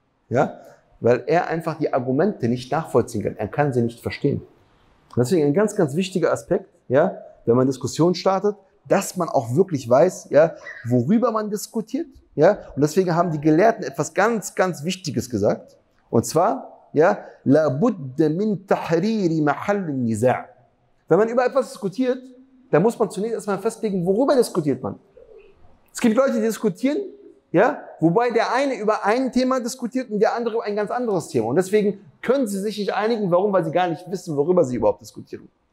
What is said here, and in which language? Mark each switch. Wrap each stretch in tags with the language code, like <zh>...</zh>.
<de>Ja, weil er einfach die Argumente nicht nachvollziehen kann. Er kann sie nicht verstehen. Deswegen ein ganz, ganz wichtiger Aspekt, ja, wenn man Diskussionen startet, dass man auch wirklich weiß, ja, worüber man diskutiert, ja. Und deswegen haben die Gelehrten etwas ganz, ganz Wichtiges gesagt. Und zwar, ja,</de> <ar>لابد من تحرير محل النزاع.</ar> <de>Wenn man über etwas diskutiert, dann muss man zunächst erstmal festlegen, worüber diskutiert man. Es gibt Leute, die diskutieren, ja, wobei der eine über ein Thema diskutiert und der andere über ein ganz anderes Thema. Und deswegen können sie sich nicht einigen. Warum? Weil sie gar nicht wissen, worüber sie überhaupt diskutieren.</de>